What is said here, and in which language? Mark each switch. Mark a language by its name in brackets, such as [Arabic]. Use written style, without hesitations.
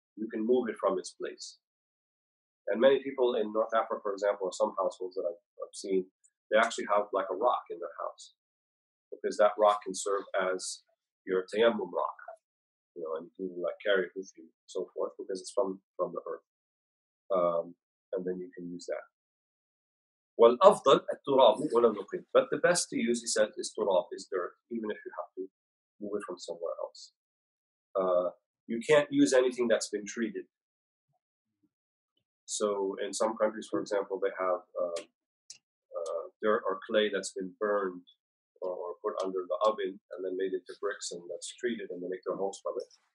[English] You can move it from its place. And many people in North Africa, for example, or some households that I've seen, they actually have like a rock in their house, because that rock can serve as your tayammum rock, you know, and you can like carry it with you, so forth, because it's from the earth. And then you can use that. [Arabic] Well, أفضل التراب ولا نقل. [English] But the best to use, he said, is turab, is dirt, even if you have to move it from somewhere else. You can't use anything that's been treated. So in some countries, for example, they have dirt or clay that's been burned or put under the oven and then made into bricks, and that's treated, and they make their homes from it.